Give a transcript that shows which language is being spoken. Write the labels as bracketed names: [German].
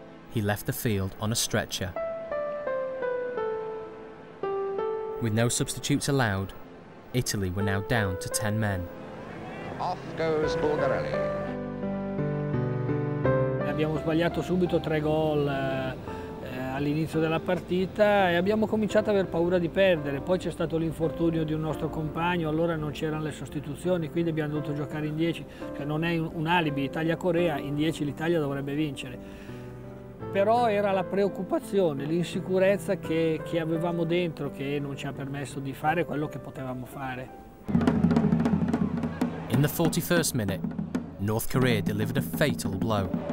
[English] He left the field on a stretcher. With no substitutes allowed, Italy were now down to 10 men. Off goes Bulgarelli. [Italian] Abbiamo sbagliato subito 3 gol all'inizio della partita e abbiamo cominciato a aver paura di perdere. Poi c'è stato l'infortunio di un nostro compagno, allora non c'erano le sostituzioni, quindi abbiamo dovuto giocare in 10. Cioè non è un alibi, Italia-Corea, in 10 l'Italia dovrebbe vincere. Però era la preoccupazione, l'insicurezza che avevamo dentro che non ci ha permesso di fare quello che potevamo fare. [English] In the 41st minute, North Korea delivered a fatal blow.